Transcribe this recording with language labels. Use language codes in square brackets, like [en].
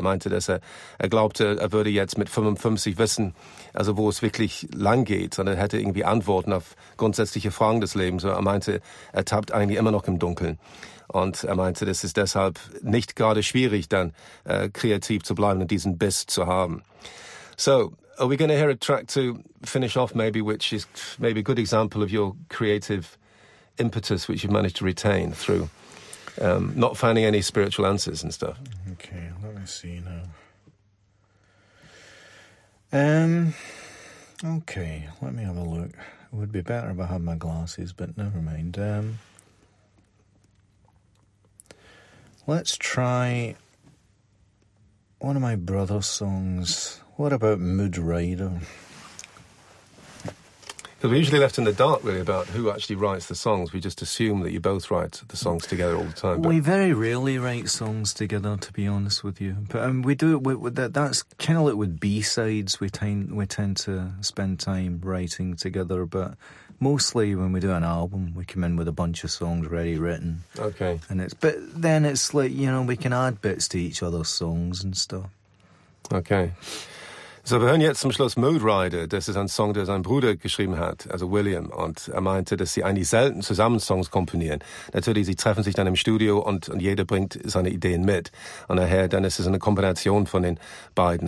[de] Er meinte, dass er glaubte, er würde jetzt mit 55 wissen, also wo es wirklich lang geht. Und er hätte irgendwie Antworten auf grundsätzliche Fragen des Lebens. Er meinte, er tappt eigentlich immer noch im Dunkeln. Und er meinte, das ist deshalb nicht gerade schwierig, dann kreativ zu bleiben und diesen Biss zu haben. [en] So, are we going to hear a track to finish off maybe, which is maybe a good example of your creative impetus, which you managed to retain through not finding any spiritual answers and stuff. Okay, let me see now. Okay, let me have a look. It would be better if I had my glasses, but never mind. Let's try one of my brother's songs. What about Mood Rider? Because we're usually left in the dark, really, about who actually writes the songs. We just assume that you both write the songs together all the time. But we very rarely write songs together, to be honest with you. But we do it with that. That's kind of like with B-sides. We tend to spend time writing together. But mostly when we do an album, we come in with a bunch of songs ready written. Okay. And it's like, you know, we can add bits to each other's songs and stuff. Okay. [de] So, wir hören jetzt zum Schluss Mood Rider. Das ist ein Song, der sein Bruder geschrieben hat, also William. Und er meinte, dass sie eigentlich selten zusammen Songs komponieren. Natürlich, sie treffen sich dann im Studio und jeder bringt seine Ideen mit. Und nachher, dann ist es eine Kombination von den beiden.